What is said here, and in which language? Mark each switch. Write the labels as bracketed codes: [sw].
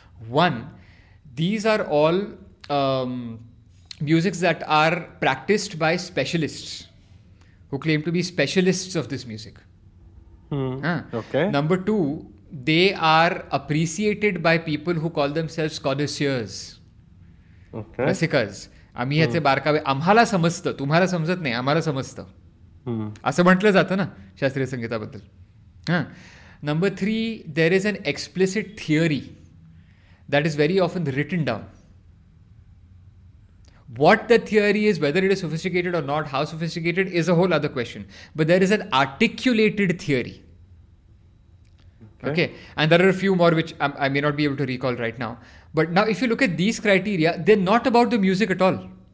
[en] One, these are all musics that are practiced by specialists who claim to be specialists of this music. Okay. Number two, they are appreciated by people who call themselves connoisseurs. Okay. Rasikas. [mr] आम्ही याचे बारकावे आम्हाला समजतं तुम्हाला समजत नाही आम्हाला समजतं असं म्हटलं जातं ना शास्त्रीय संगीताबद्दल. [en] हां, number three, there is an explicit theory that is very often written down What the theory is, whether it is sophisticated or not, how sophisticated, is a whole other question. But there is an articulated theory. Okay. And there are a few more which I may not be able to recall right now. But now if you look at these criteria, they're not about the music at all.